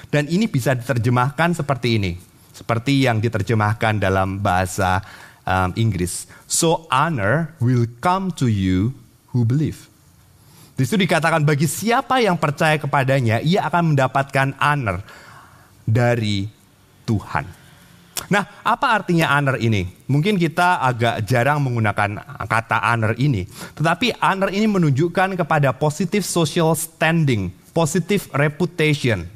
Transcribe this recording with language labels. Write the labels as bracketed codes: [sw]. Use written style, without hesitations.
[id] Dan ini bisa diterjemahkan seperti ini. Seperti yang diterjemahkan dalam bahasa Inggris. [en] So honor will come to you who believe. [id] Di situ dikatakan bagi siapa yang percaya kepadanya, ia akan mendapatkan honor dari Tuhan. Nah, apa artinya honor ini? Mungkin kita agak jarang menggunakan kata honor ini. Tetapi honor ini menunjukkan kepada [en] positive social standing, positive reputation.